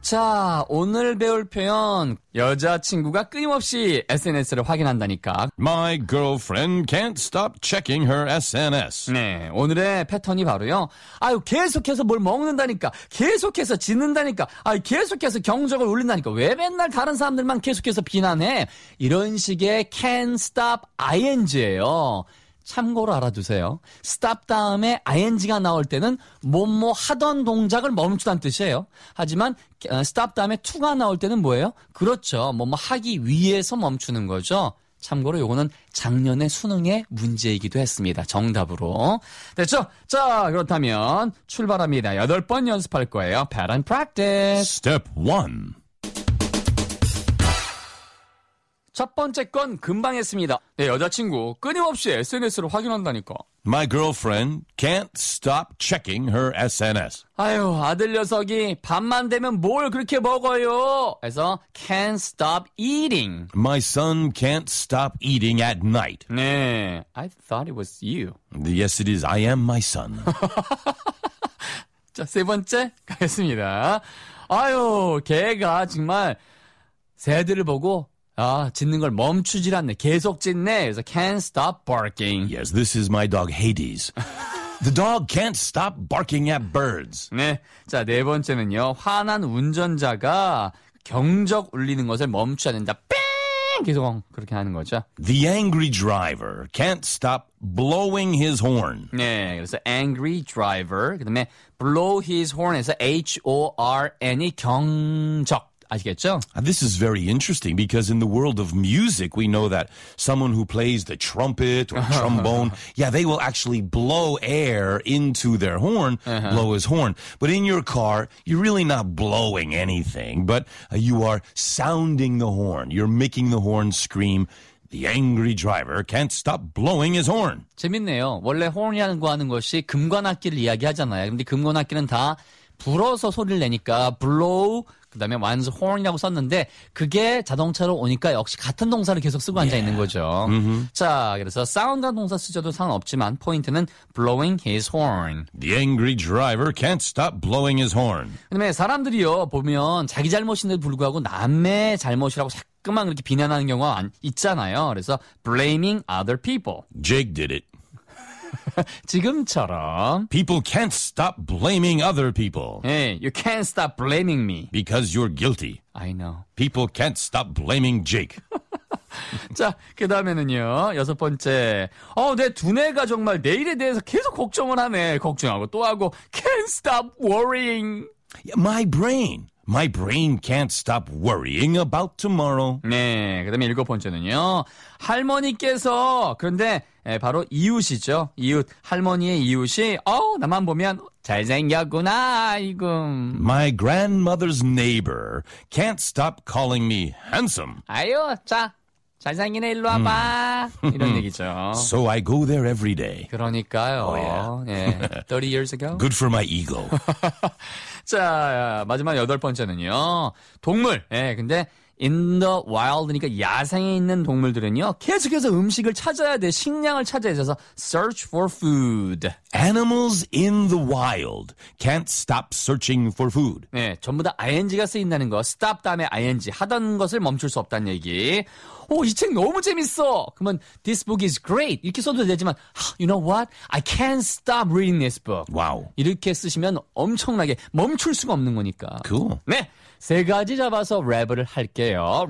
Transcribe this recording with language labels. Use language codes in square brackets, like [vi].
[ko] 자, 오늘 배울 표현 여자친구가 끊임없이 SNS를 확인한다니까. [en] My girlfriend can't stop checking her SNS. [ko] 네, 오늘의 패턴이 바로요. 아유, 계속해서 뭘 먹는다니까. 계속해서 짖는다니까. 아유, 계속해서 경적을 울린다니까. 왜 맨날 다른 사람들만 계속해서 비난해? 이런 식의 [en] can't stop ing [ko] 예요. 참고로 알아두세요. stop 다음에 ing가 나올 때는 뭐뭐 하던 동작을 멈추다는 뜻이에요. 하지만 stop 다음에 to가 나올 때는 뭐예요? 그렇죠. 뭐뭐 하기 위해서 멈추는 거죠. 참고로 요거는 작년에 수능의 문제이기도 했습니다. 정답으로. 됐죠? 자, 그렇다면 출발합니다. 8번 연습할 거예요. [en] pattern practice. Step 1. [ko] 첫 번째 건 금방 했습니다. 내 여자친구 끊임없이 SNS를 확인한다니까. [en] My girlfriend can't stop checking her SNS. [ko] 아유, 아들 녀석이 밤만 되면 뭘 그렇게 먹어요? 해서 [en] can't stop eating. My son can't stop eating at night. [ko] 네, [en] I thought it was you. Yes, it is. I am my son. [ko] 자, 세 번째 가겠습니다. 아유, 걔가 정말 새들을 보고 아, 짖는 걸 멈추질 않네. 계속 짖네. 그래서 [en] can't stop barking. Yes, this is my dog Hades. The dog can't stop barking at birds. [ko] 네. 자, 네 번째는요. 화난 운전자가 경적 울리는 것을 멈추지 않는다. 삥! 계속 그렇게 하는 거죠. [en] The angry driver can't stop blowing his horn. [ko] 네. 그래서 angry driver. 그다음에 [en] blow his horn [ko] 에서 horn이 경적. 아시겠죠? [en] This is very interesting because in the world of music, we know that someone who plays the trumpet or trombone, yeah, they will actually blow air into their horn, blow his horn. But in your car, you're really not blowing anything, but you are sounding the horn. You're making the horn scream. The angry driver can't stop blowing his horn. [ko] 재밌네요. 원래 horn이라는 거 하는 것이 금관악기를 이야기하잖아요. 근데 금관악기는 다 불어서 소리를 내니까 blow. 그다음에 one's horn이라고 썼는데 그게 자동차로 오니까 역시 같은 동사를 계속 쓰고 앉아 있는 거죠. 자, 그래서 sound 동사 쓰셔도 상관없지만 포인트는 [en] blowing his horn. The angry driver can't stop blowing his horn. [ko] 그다음에 사람들이요 보면 자기 잘못인데도 불구하고 남의 잘못이라고 자꾸만 그렇게 비난하는 경우가 있잖아요. 그래서 [en] blaming other people. Jake did it. [ko] 지금처럼. [en] People can't stop blaming other people. Hey, you can't stop blaming me. Because you're guilty. I know. People can't stop blaming Jake. [ko] 자, 그 다음에는요, 여섯 번째. 내 두뇌가 정말 내일에 대해서 계속 걱정을 하네. 걱정하고 또 하고. [en] Can't stop worrying. My brain can't stop worrying about tomorrow. [ko] 네, 그다음에 일곱 번째는요. 할머니께서 그런데 바로 이웃이죠. 이웃 할머니의 이웃이 나만 보면 잘생겼구나. 아이고. [en] My grandmother's neighbor can't stop calling me handsome. [ko] 아유, 자. 잘생기네, 일로 와봐. 이런 얘기죠. [en] So I go there every day. [ko] 그러니까요. [en] Oh, yeah. [ko] 네. [en] 30 years ago. Good for my ego. [ko] 자, 마지막 여덟 번째는요. 동물. 예, 네, 근데 [en] in the wild [ko] 니까 야생에 있는 동물들은요. 계속해서 음식을 찾아야 돼. 식량을 찾아야 돼서 [en] search for food. [ko] Animals in the wild can't stop searching for food. 네, 전부 다 ing가 쓰인다는 거. stop 다음에 ing. 하던 것을 멈출 수 없다는 얘기. 오, 이책 너무 재밌어. 그러면 [en] this book is great. [ko] 이렇게 써도 되지만 [en] you know what? I can't stop reading this book. [ko] 와우. 이렇게 쓰시면 엄청나게 멈출 수가 없는 거니까. [en] Cool. [ko] 네. 세 가지 잡아서 랩을 할게요.